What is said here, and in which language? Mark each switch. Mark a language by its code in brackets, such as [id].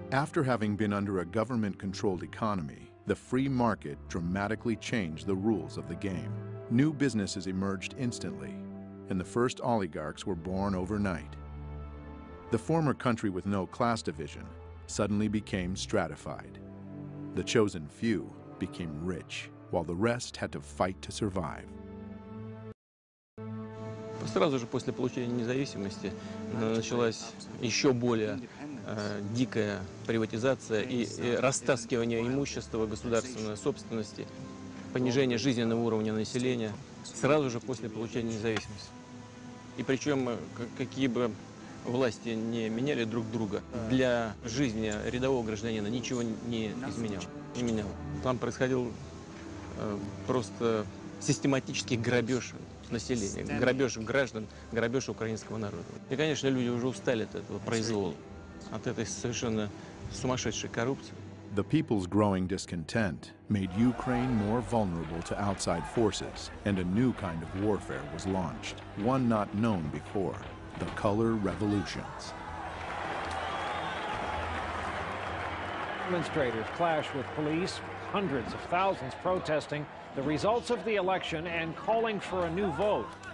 [en] After having been under a government-controlled economy, the free market dramatically changed the rules of the game. New businesses emerged instantly, and the first oligarchs were born overnight. The former country with no class division suddenly became stratified. The chosen few became rich, while the rest had to fight to survive. [ru] Сразу же после получения независимости началась еще более дикая приватизация и растаскивание имущества государственной собственности, понижение жизненного уровня населения сразу же после получения независимости. И причем какие бы власти не меняли друг друга, для жизни рядового гражданина ничего не изменяло. Там происходил просто систематический грабеж населения, грабеж граждан, грабеж украинского народа. И, конечно, люди уже устали от этого произвола, от этой совершенно сумасшедшей коррупции. [en] The people's growing discontent made Ukraine more vulnerable to outside forces, and a new kind of warfare was launched, one not known before, the color revolutions. Demonstrators clash with police, hundreds of thousands protesting the results of the election and calling for a new vote.